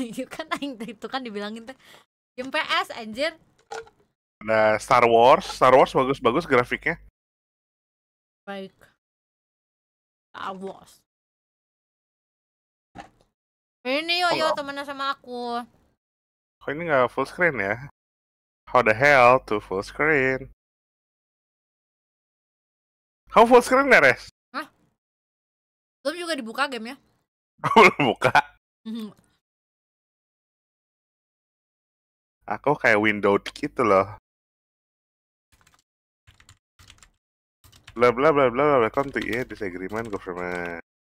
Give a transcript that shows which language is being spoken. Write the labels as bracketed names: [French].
[Indonesian] Kan aing itu kan dibilangin teh game PS anjir. Ada Star Wars. Star Wars bagus-bagus grafiknya. Baik. Star Wars. Ini Yoyo temennya sama aku. Kok ini enggak full screen ya? [English] How the hell to full screen? How full screen ya, Res? [Indonesian] Belum juga dibuka game ya? Belum buka. Aku kayak window gitu loh. [English] bla bla bla bla bla welcome to EA disagreement government.